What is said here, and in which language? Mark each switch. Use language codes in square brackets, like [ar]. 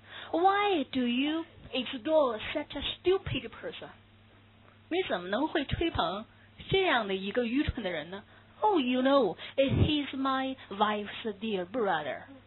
[en] Why do you exhort such a stupid person? [zh] 你怎么能会吹捧这样的一个愚蠢的人呢？ [en] Oh, you know, he's my wife's dear brother.